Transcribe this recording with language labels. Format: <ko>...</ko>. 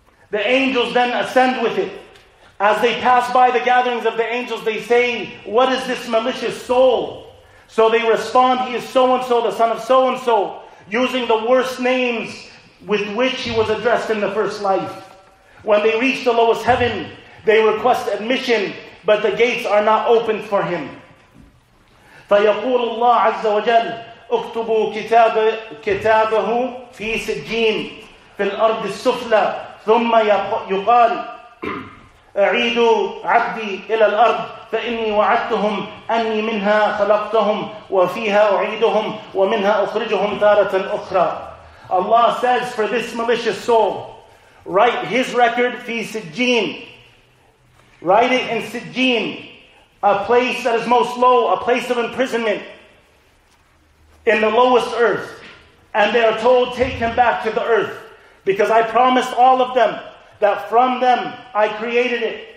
<en>The angels then ascend with it. As they pass by the gatherings of the angels, they say, "What is this malicious soul?" So they respond, "He is so-and-so, the son of so-and-so," using the worst names with which he was addressed in the first life. When they reach the lowest heaven, they request admission, but the gates are not opened for him.</en> <ar>فيقول الله عز وجل اكتبوا كتابه في سجين في الأرض السفلى ثم يقال أعيدوا عبدي إلى الأرض فإني وعدتهم أني منها خلقتهم وفيها أعيدهم ومنها أخرجهم تارة أخرى.</ar> <en>Allah says, for this malicious soul, write his record fi sijjin. Write it in sijjin, a place that is most low, a place of imprisonment, in the lowest earth. And they are told, take him back to the earth, because I promised all of them that from them I created it.</en>